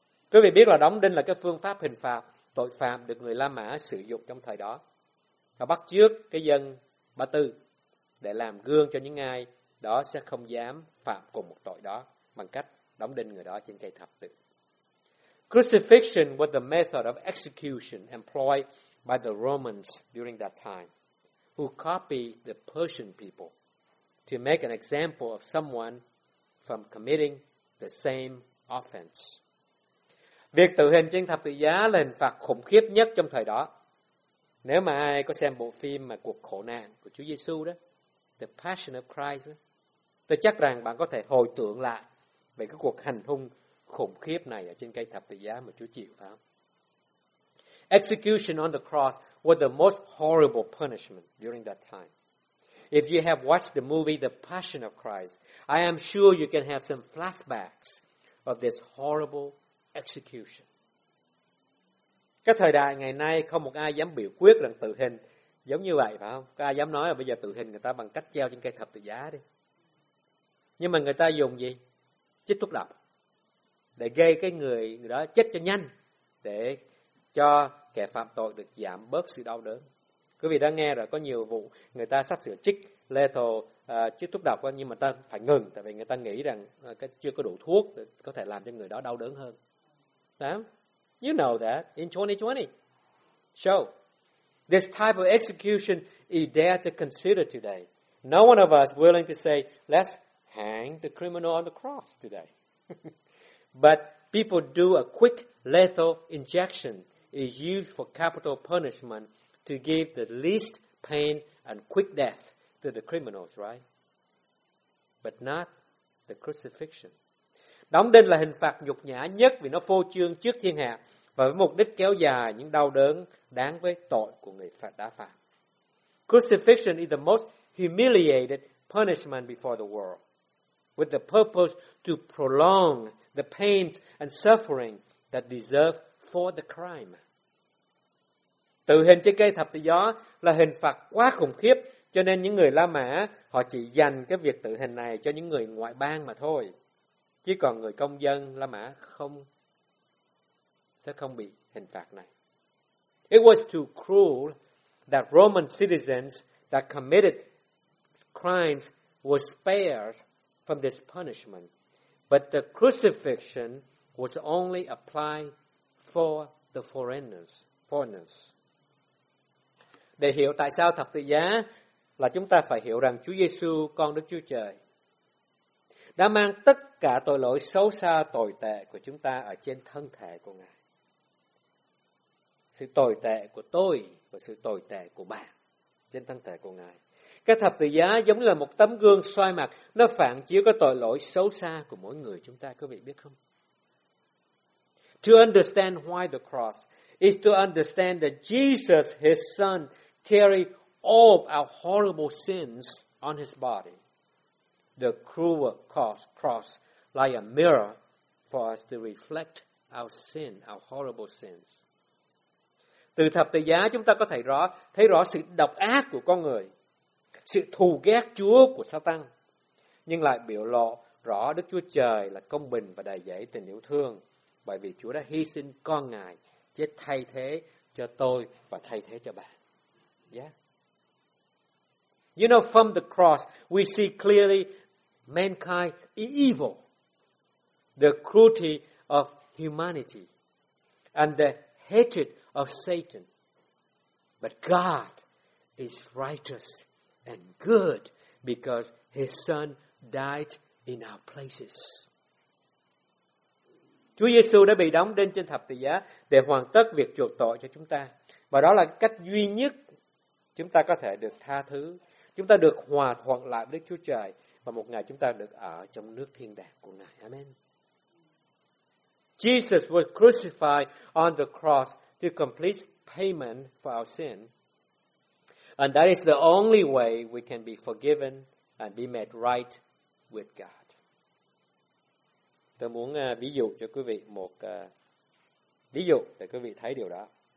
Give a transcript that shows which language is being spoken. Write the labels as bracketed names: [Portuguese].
[Vietnamese] Quý vị biết là đóng đinh là cái phương pháp hình phạt tội phạm được người La Mã sử dụng trong thời đó. Và bắt chước cái dân Ba Tư để làm gương cho những ai đó sẽ không dám phạm cùng một tội đó bằng cách đóng đinh người đó trên cây thập tự. [English] Crucifixion was the method of execution employed by the Romans during that time, who copied the Persian people to make an example of someone from committing the same offense. [Vietnamese] Việc tự hình trên thập tự giá là hình phạt khủng khiếp nhất trong thời đó. Nếu mà ai có xem bộ phim mà Cuộc Khổ Nạn của Chúa Giê-xu đó, The Passion of Christ đó, tôi chắc rằng bạn có thể hồi tưởng lại về cái cuộc hành hung khủng khiếp này ở trên cây thập tự giá mà Chúa chịu, phải không? [English] Execution on the cross was the most horrible punishment during that time. If you have watched the movie The Passion of Christ, I am sure you can have some flashbacks of this horrible execution. [Vietnamese] Cái thời đại ngày nay không một ai dám biểu quyết rằng tự hình giống như vậy, phải không? Có ai dám nói là bây giờ tự hình người ta bằng cách treo trên cây thập tự giá đi. Nhưng mà người ta dùng gì? Chích thuốc độc để gây cái người đó chết cho nhanh, để cho kẻ phạm tội được giảm bớt sự đau đớn. Quý vị đã nghe rồi, có nhiều vụ người ta sắp sửa chích lethal chích thuốc độc nhưng mà ta phải ngừng, tại vì người ta nghĩ rằng chưa có đủ thuốc để có thể làm cho người đó đau đớn hơn. [English] You know that in 2020. So, this type of execution is there to consider today. No one of us willing to say, let's hang the criminal on the cross today. But people do a quick lethal injection is used for capital punishment to give the least pain and quick death to the criminals, right? But not the crucifixion. [Vietnamese] Đóng đinh là hình phạt nhục nhã nhất vì nó phô trương trước thiên hạ và với mục đích kéo dài những đau đớn đáng với tội của người phạt đã phạm. [English] Crucifixion is the most humiliated punishment before the world, with the purpose to prolong the pains and suffering that deserve for the crime. [Vietnamese] Tử hình trên cây thập tự do là hình phạt quá khủng khiếp, cho nên những người La Mã họ chỉ dành cái việc tử hình này cho những người ngoại bang mà thôi. Chứ còn người công dân La Mã không sẽ không bị hình phạt này. [English] It was too cruel that Roman citizens that committed crimes were spared from this punishment. But the crucifixion was only applied for the foreigners. [Vietnamese] Để hiểu tại sao thập tự giá là chúng ta phải hiểu rằng Chúa Giêsu, con Đức Chúa Trời, đã mang tất cả tội lỗi xấu xa tồi tệ của chúng ta ở trên thân thể của Ngài. Sự tồi tệ của tôi và sự tồi tệ của bạn trên thân thể của Ngài. Cái thập tự giá giống như là một tấm gương soi mặt, nó phản chiếu cái tội lỗi xấu xa của mỗi người chúng ta, quý vị biết không? [English] To understand why the cross is to understand that Jesus, his son, carried all of our horrible sins on his body. The cruel cross like a mirror for us to reflect our sin, our horrible sins. [Vietnamese] Từ thập tự giá chúng ta có thể thấy rõ sự độc ác của con người, sự thù ghét Chúa của Satan, nhưng lại biểu lộ rõ Đức Chúa Trời là công bình và đầy dẫy tình yêu thương, bởi vì Chúa đã hy sinh con Ngài chết thay thế cho tôi và thay thế cho bạn. [English] Yeah. You know, from the cross, we see clearly mankind is evil, the cruelty of humanity, and the hatred of Satan. But God is righteous and good because his son died in our places. [Vietnamese] Chúa Giêsu đã bị đóng đinh trên thập tự giá để hoàn tất việc chuộc tội cho chúng ta. Và đó là cách duy nhất chúng ta có thể được tha thứ. Chúng ta được hòa thuận lại với Chúa Trời và một ngày chúng ta được ở trong nước thiên đàng của Ngài. Amen. [English] Jesus was crucified on the cross to complete payment for our sin. And that is the only way we can be forgiven and be made right with God. [Vietnamese] Tôi muốn ví dụ cho quý vị một ví dụ để quý vị thấy điều đó.